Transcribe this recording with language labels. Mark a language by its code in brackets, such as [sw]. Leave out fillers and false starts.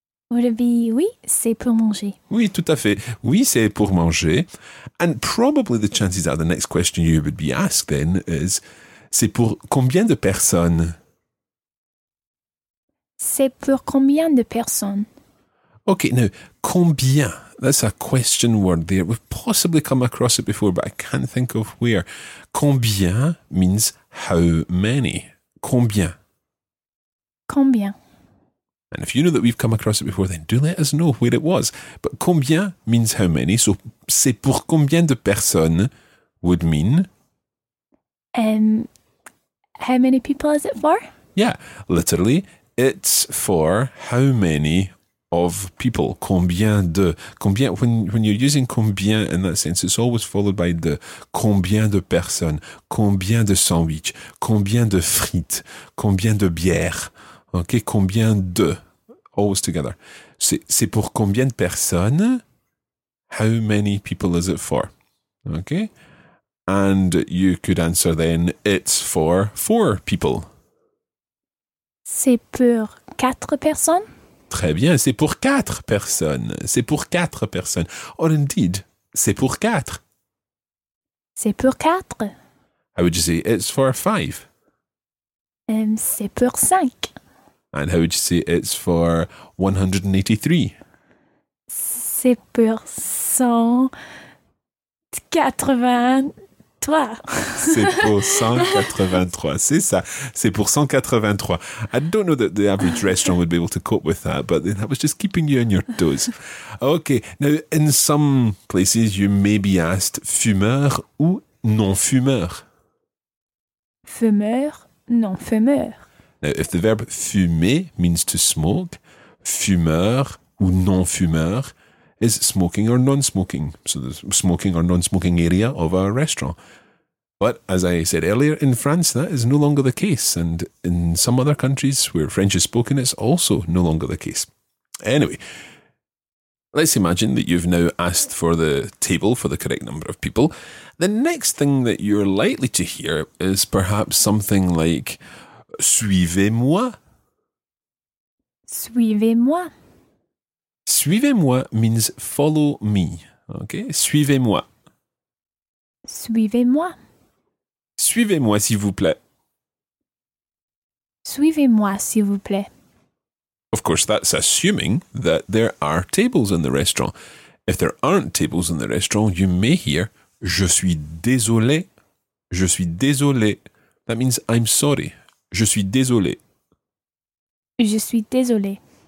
[en] Would it be, [fr] oui, c'est pour manger. Oui, tout à fait. Oui, c'est pour manger. [en] And probably the chances are the next question you would be asked then is, [fr] c'est pour combien de personnes? C'est pour combien de personnes? [en] Okay, now, combien? That's a question word there. We've possibly come across it before, but I can't think of where. Combien means how many. Combien? [fr] Combien. [en] And if you know that we've come across it before, then do let us know where it was. But combien means how many. So, [fr] c'est pour combien de personnes [en] would mean? How many people is it for? Yeah, literally, it's for how many of people. [fr] Combien de. [en] Combien. When you're using combien in that sense, it's always followed by de. [fr] Combien de personnes. Combien de sandwich. Combien de frites. Combien de bière. Okay, combien de. [en] Always together. [fr] C'est pour combien de personnes. [en] How many people is it for? Okay. And you could answer then, it's for four people. [fr] C'est pour quatre personnes. Très bien, c'est pour quatre personnes. C'est pour quatre personnes. [en] Or indeed, [fr] c'est pour quatre. C'est pour quatre. [en] How would you say, it's for five? [fr] C'est pour cinq. [en] And how would you say, it's for 183? [fr] C'est pour 183. C'est pour 183, c'est ça, c'est pour 183. [en] I don't know that the average restaurant would be able to cope with that, but that was just keeping you on your toes. Okay, now in some places you may be asked [fr] fumeur ou non-fumeur. Fumeur, non-fumeur. [en] Now if the verb fumer means to smoke, [fr] fumeur ou non-fumeur [en] is smoking or non-smoking, so the smoking or non-smoking area of a restaurant. But as I said earlier, in France, that is no longer the case. And in some other countries where French is spoken, it's also no longer the case. Anyway, let's imagine that you've now asked for the table for the correct number of people. The next thing that you're likely to hear is perhaps something like, [fr] suivez-moi. Suivez-moi. [en] Suivez-moi means follow me. Okay, suivez-moi. [fr] Suivez-moi. Suivez-moi, s'il vous plaît. Suivez-moi, s'il vous plaît. [en] Of course, that's assuming that there are tables in the restaurant. If there aren't tables in the restaurant, you may hear, [fr] je suis désolé. Je suis désolé. [en] That means, I'm sorry. [fr] Je suis désolé. Je suis désolé.